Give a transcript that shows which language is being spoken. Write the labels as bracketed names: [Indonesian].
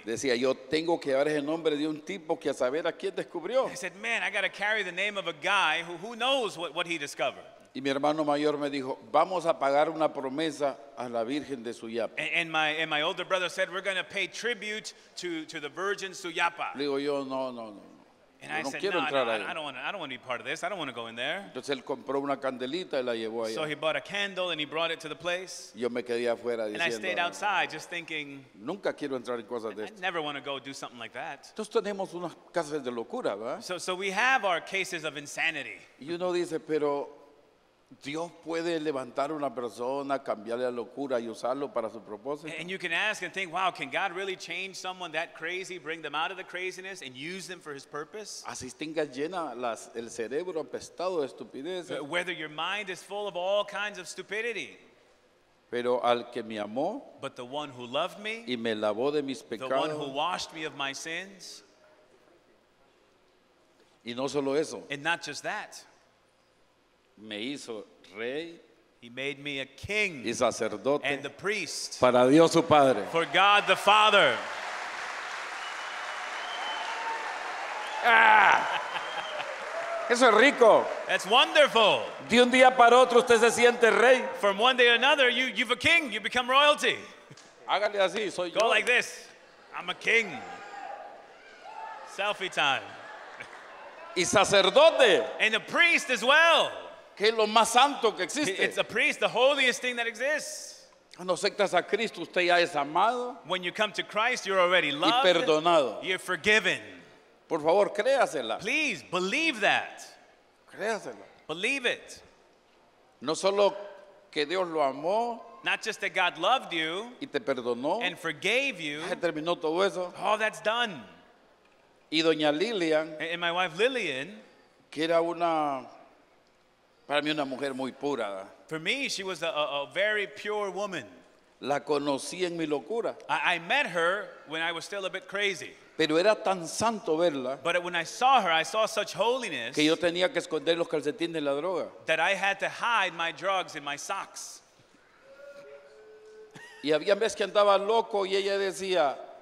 [Spanish] Decía, yo tengo que llevar el nombre de un tipo que a saber a quién descubrió. [English] I said, man, I got to carry the name of a guy who knows what he discovered. [Spanish] Y mi hermano mayor me dijo, vamos a pagar una promesa a la Virgen de Suyapa. [English] And my older brother said, we're going to pay tribute to the Virgin Suyapa. [Spanish] Le digo yo, no. [English] And I don't want to be part of this. I don't want to go in there. [Spanish] Entonces él compró una candelita y la llevó allá. [English] So he bought a candle and he brought it to the place. [Spanish] Yo me quedé afuera [English] and [Spanish] diciendo, [English] I stayed outside just thinking, [Spanish] nunca quiero entrar en cosas de [English] I never want to go do something like that. [Spanish] Entonces tenemos unas casas de locura, ¿verdad? [English] So we have our cases of insanity. [Spanish] Y uno dice, pero Dios puede levantar una persona, cambiarle la locura y usarlo para su propósito. [English] And you can ask and think, wow, can God really change someone that crazy, bring them out of the craziness and use them for his purpose? [Spanish] Así tengas llena las, el cerebro apestado de estupidez. [English] Whether your mind is full of all kinds of stupidity. [Spanish] Pero al que me amó, [English] but the one who loved me, [Spanish] y me lavó de mis pecados, [English] the one who washed me of my sins, [Spanish] y no solo eso, [English] and not just that, [Spanish] me hizo rey, [English] he made me a king, [Spanish] y sacerdote, [English] and the priest, [Spanish] para Dios su Padre, [English] for God the Father. [Spanish] Ah. Eso es rico. [English] That's wonderful. [Spanish] De un día para otro usted se siente rey. [English] From one day to another, you've a king. You become royalty. [Spanish] Hágale así, soy yo. [English] Go like this. I'm a king. Selfie time. [Spanish] Y sacerdote. [English] And a priest as well. [Spanish] Que es lo más santo que existe. [English] It's a priest, the holiest thing that exists. [Spanish] Cuando aceptas a Cristo, usted ya es amado. [English] When you come to Christ, you're already loved. [Spanish] Y perdonado. [English] You're forgiven. [Spanish] Por favor, créasela. [English] Please believe that. [Spanish] Créasela. [English] Believe it. [Spanish] No solo que Dios lo amó, [English] not just that God loved you, [Spanish] y te perdonó, [English] and forgave you. [Spanish] Ya terminó todo eso. [English] Oh, that's done. [Spanish] Y doña Lilian, [English] and my wife Lillian, [Spanish] que era una, para mí una mujer muy pura. [English] For me, she was a very pure woman. [Spanish] La conocí en mi locura. [English] I met her when I was still a bit crazy. [Spanish] Pero era tan santo verla, [English] but when I saw her, I saw such holiness, [Spanish] que yo tenía que esconder los calcetines de la droga, [English] that I had to hide my drugs in my socks. [Spanish] Y había veces que andaba loco y ella decía,